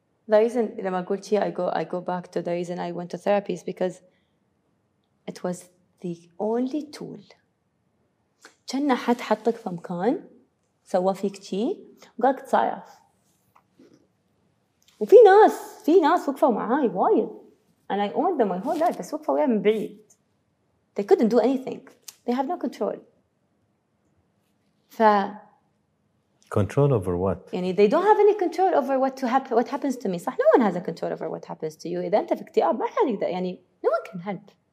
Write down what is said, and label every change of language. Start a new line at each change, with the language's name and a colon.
English: The reason
Arabic: لما قلت شيء
English: I go back to the reason I went to therapy is because it was the only tool.
Arabic: كان حد حطك في مكان سوى فيك شيء وقالك تصايف. وفي ناس وقفوا معاي وايد
English: and I owned them my whole life
Arabic: بس وقفوا وياي من بعيد.
English: They couldn't do anything. They have no control. ف control over what? يعني they don't have any control over what to happen, what happens to me. صح؟ No one has a control over what happens to you.
Arabic: إذا أنت في اكتئاب ما حد يقدر يعني
English: no one can help.